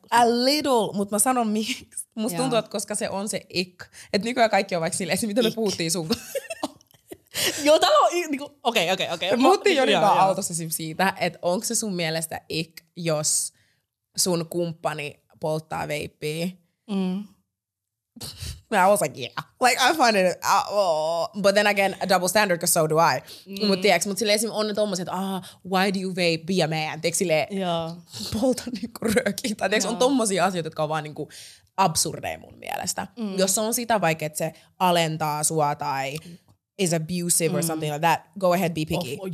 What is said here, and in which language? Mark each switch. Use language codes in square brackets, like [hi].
[en] A little, [fi] mutta mä sanon miksi. Musta tuntuu, että koska se on se ik. Että nykyään kaikki on vaikka silleen, mitä me puhuttiin sun. Joo, täällä on niinku, okei. Muuttiin jo niinku autossa siitä, että onko se sun mielestä ik, jos sun kumppani polttaa veippiä. [en] I was like, I find it, but then again, a double standard, because so do I. [fi] Mutta tiiäks, mutta silleen esim. On ne tommoset, että [en] why do you vape, be a man? [fi] Tiiäks silleen, polta niinku röökiä. Tai tiiäks, on tommosia asioita, jotka on vaan niinku absurdeja mun mielestä. Jos on sitä vaikka, että se alentaa sua tai [en] is abusive or something like that, go ahead, be picky.